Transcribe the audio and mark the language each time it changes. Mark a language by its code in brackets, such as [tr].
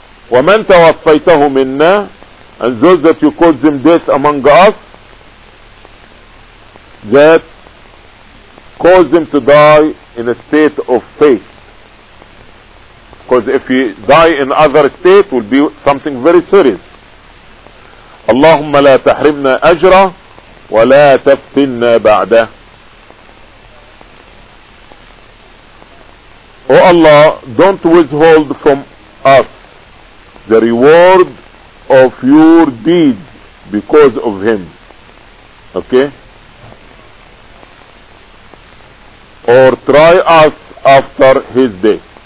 [ar] وَمَنْ تَوَفَّيْتَهُ مِنَّا [en] And those that you call them death among us, that cause them to die in a state of faith. Because if you die in other state, will be something very serious. [ar] اللهم لا تحرمنا أجرا ولا تفتنا بعده. [en] O Allah, don't withhold from us the reward of your deeds because of him. Okay? Or try us after his death.